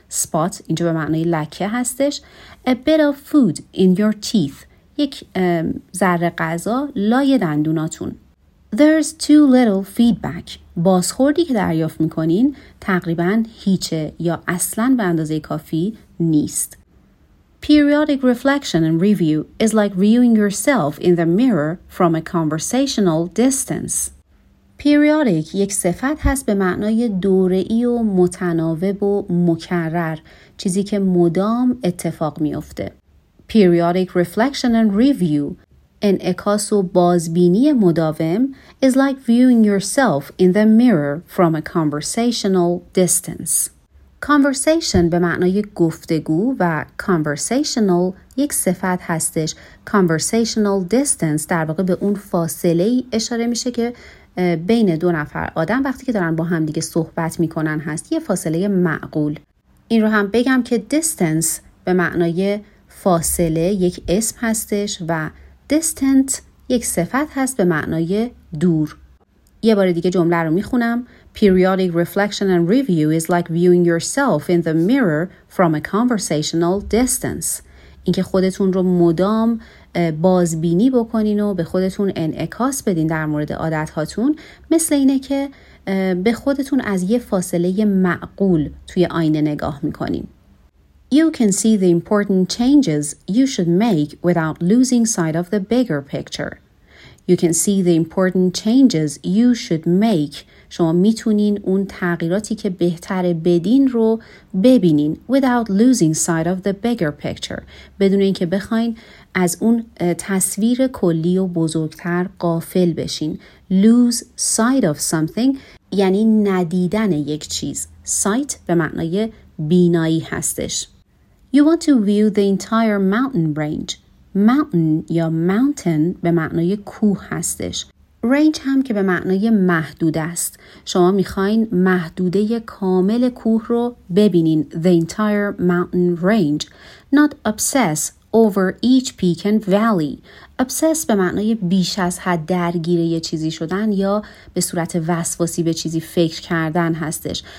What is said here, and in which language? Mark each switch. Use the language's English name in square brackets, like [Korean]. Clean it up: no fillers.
[Persian] Spot اینجا به معنای لکه هستش. [English] A bit of food in your teeth. [Persian] یک ذره غذا لای دندوناتون. [English] There's too little feedback. [Persian] بازخوردی که دریافت میکنین تقریبا هیچه یا اصلا به اندازه کافی نیست. [English] Periodic reflection and review is like viewing yourself in the mirror from a conversational distance. [Persian] Periodic یک صفت هست به معنای دوره‌ای و متناوب و مکرر، چیزی که مدام اتفاق میفته. [English] Periodic reflection and review. [Persian] انعکاس و بازبینی مداوم [English] is like viewing yourself in the mirror from a conversational distance. [Persian] Conversation به معنای گفتگو و conversational یک صفت هستش. Conversational distance در واقع به اون فاصله ای اشاره میشه که بین دو نفر آدم وقتی که دارن با هم دیگه صحبت میکنن هست. یه فاصله معقول. این رو هم بگم که distance به معنای فاصله یک اسم هستش و distant یک صفت هست به معنای دور. یه بار دیگه جمله رو میخونم. [English] Periodic reflection and review is like viewing yourself in the mirror from a conversational distance. [Persian] اینکه خودتون رو مدام بازبینی بکنین و به خودتون انعکاس بدین در مورد عادت هاتون مثل اینه که به خودتون از یه فاصله معقول توی آینه نگاه میکنین. [English] You can see the important changes you should make without losing sight of the bigger picture. You can see the important changes you should make. [Persian] شما میتونین اون تغییراتی که بهتره بدین رو ببینین [English] without losing sight of the bigger picture. [Persian] بدون این که بخواین از اون تصویر کلی و بزرگتر غافل بشین. [English] Lose sight of something [Persian] یعنی ندیدن یک چیز. Sight به معنای بینایی هستش. [English] You want to view the entire mountain range. [Persian] Mountain یا mountain به معنای کوه هستش. Range هم که به معنای محدود است. شما میخواین محدوده کامل کوه رو ببینین. [English] The entire mountain range. Not obsess over each peak and valley. [Persian] Obsess به معنای بیش از حد درگیر یه چیزی شدن یا به صورت وسواسی به چیزی فکر کردن هستش.